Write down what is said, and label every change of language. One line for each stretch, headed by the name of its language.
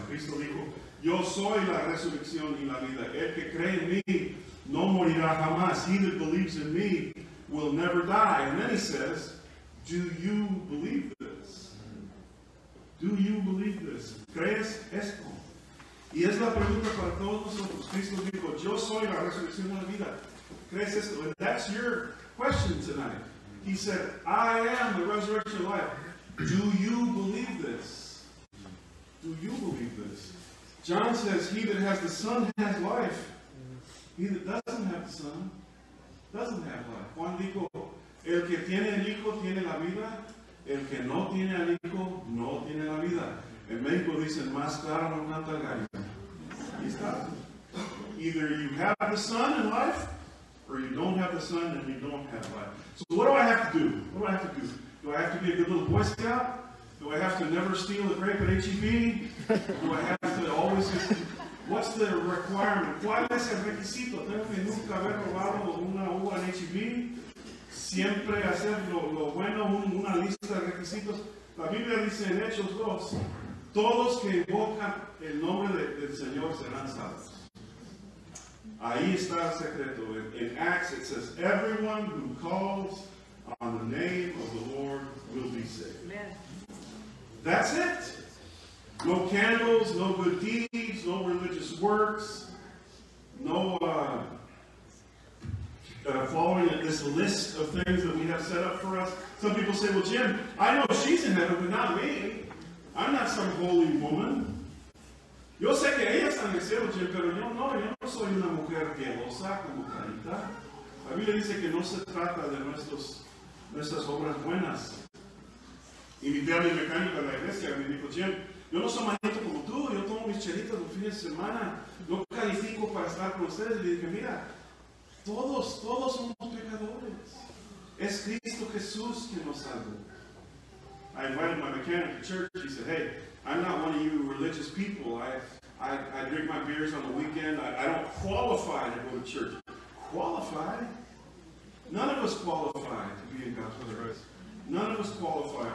Spanish: Cristo dijo, yo soy la resurrección y la vida. El que cree en mí no morirá jamás.
English: He that believes in me will never die. And then he says, do you believe this? Do you believe this?
Spanish: ¿Crees esto? Y es la pregunta para todos nosotros. Cristo dijo, yo soy la resurrección y la vida.
English: And I said, well, that's your question tonight. He said, I am the resurrection of life. Do you believe this? Do you believe this? John says, he that has the Son has life. He that doesn't have the Son doesn't have life.
Spanish: Juan dijo, el que tiene el Hijo tiene la vida. El que no tiene al Hijo no tiene la vida. En México dicen, más claro no mata el gallo.
English: Either you have the Son in life, or you don't have the Son and you don't have life. So what do I have to do? What do I have to do? Do I have to be a good little Boy Scout? Do I have to never steal a grape at HEB? Do I have to always... What's the requirement?
Spanish: ¿Cuál es el requisito? ¿Tengo que nunca haber robado una uva en HEB? ¿Siempre hacer lo bueno, una lista de requisitos? La Biblia dice en Hechos 2, todos que invocan el nombre del Señor serán salvos. Ahí está el secreto.
English: In Acts it says, everyone who calls on the name of the Lord will be saved. Amen. That's it. No candles, no good deeds, no religious works, no following this list of things that we have set up for us. Some people say, well, Jim, I know she's in heaven, but not me. I'm not some holy woman.
Spanish: Yo sé que ella está en el cielo, Jim, pero yo no soy una mujer piadosa como Carita. La Biblia dice que no se trata de nuestras obras buenas. Y mi tía, mi mecánica de la iglesia, me dijo, Jim, yo no soy manito como tú, yo tomo mis chelitas los fines de semana, no califico para estar con ustedes. Y le dije, mira, todos somos pecadores. Es Cristo Jesús quien nos salvó.
English: I invited my mechanic to church. He said, hey, I'm not one of you religious people. I drink my beers on the weekend. I don't qualify to go to church. Qualify? None of us qualify to be in God's presence. None of us qualify.